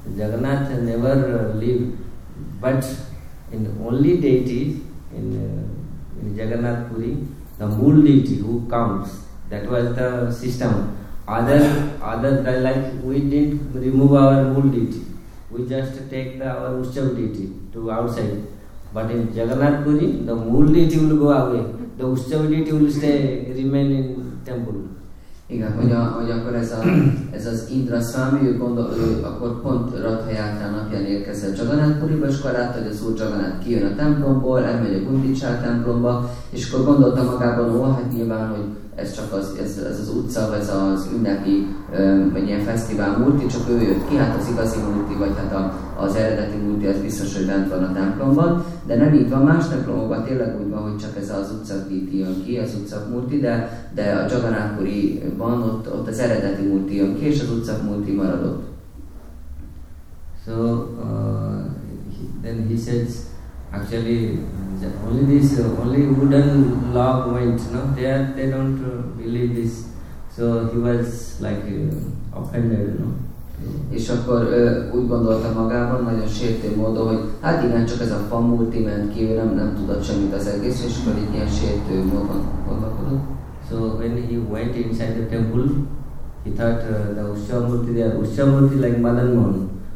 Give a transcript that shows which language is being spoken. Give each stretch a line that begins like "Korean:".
English: Jagannath never leave. But in only deities in Jagannath Puri, the mool deity who comes, that was the system. Other like we didn't remove our mool deity, we just take our Ushchav deity to outside. But in Jagannath Puri, the mool deity will go away, the Ushchav deity will stay remain in temple.
Hungarian: Igen, hogy akkor ez az Indra Swami, ő akkor pont Radha Yatra napján érkezett Jagannath Puriba, és akkor látta, hogy az Úr Jagannath kijön a templomból, elmegy a Gundicha templomba, és akkor gondolta magában, hát nyilván, hogy ez csak ez az utca, ez az ünnepi, vagy ilyen fesztivál Murti, csak ő jött ki, hát az igazi Murti, vagy hát az eredeti Murti, az biztos, hogy bent van a templomban, de nem így van más templomokban, tényleg úgy van, hogy csak ez az utca Murti jön ki, az utca Murti, de a Jagannath Puriban ott az eredeti Murti jön ki, és az utca Murti maradott.
English: So, then he says, actually, only this, only wooden log went, no? They don't believe this. So he was like offended, no?
Hungarian: És akkor úgy gondolta magában, nagyon sértő módon, hogy hát igen, csak ez a fa multi ment ki, ő nem tudott semmit az egész, és akkor így ilyen sértő módon gondolkodott.
English: So when he went inside the temple, he thought the Ushchav Murti there, Ushchav Murti like Madan Mohan.